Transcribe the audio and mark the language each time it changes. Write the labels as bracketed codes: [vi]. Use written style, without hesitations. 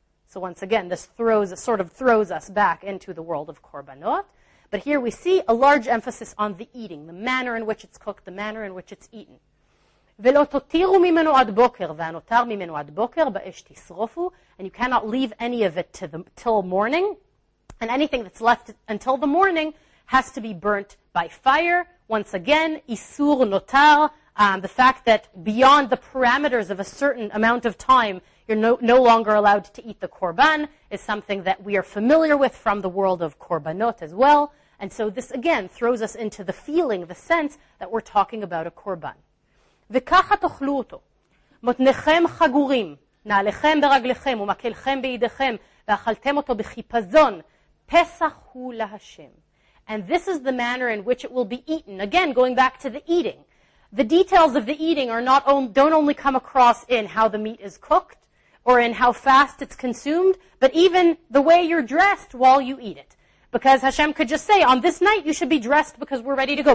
[en] So once again, this throws us back into the world of korbanot. But here we see a large emphasis on the eating, the manner in which it's cooked, the manner in which it's eaten. [he] ולא תותירו ממנו עד בוקר, והנותר ממנו עד בוקר, באש תשרופו. [en] And you cannot leave any of it till morning. And anything that's left until the morning has to be burnt by fire. Once again, איסור נותר. The fact that beyond the parameters of a certain amount of time, you're no longer allowed to eat the korban is something that we are familiar with from the world of korbanot as well. And so this, again, throws us into the feeling, the sense that we're talking about a korban. [he] וככה תאכלו אותו. מותניכם חגורים, נעליכם ברגליכם ומקלכם בידיכם, ואכלתם אותו בחיפזון. פסח הוא להשם. [en] And this is the manner in which it will be eaten. Again, going back to the eating. The details of the eating don't only come across in how the meat is cooked or in how fast it's consumed, but even the way you're dressed while you eat it. Because Hashem could just say, on this night you should be dressed because we're ready to go.